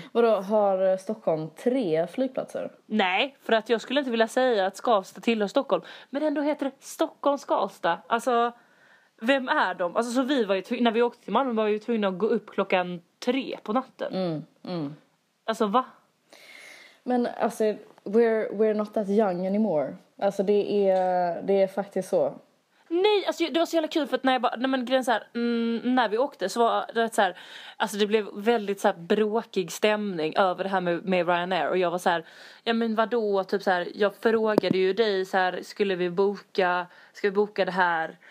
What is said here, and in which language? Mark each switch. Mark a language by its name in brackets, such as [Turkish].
[Swedish] Vadå, har Stockholm 3 flygplatser? Nej, för att jag skulle inte vilja säga att Skavsta tillhör Stockholm. Men ändå heter det Stockholm Skavsta. Alltså, vem är de? Alltså, så vi var ju när vi åkte till Malmö var vi ju tvungna att gå upp 3 på natten. Mm, mm. Alltså, va? Men, alltså, [English] we're not that young anymore. [Swedish] Alltså, det är faktiskt så. Nej, alltså det var så jävla kul för att när vi åkte så var det så här, alltså det blev väldigt så här bråkig stämning över det här med Ryanair och jag var så här, ja men vadå, typ så här, jag frågade ju dig så här, ska vi boka det här?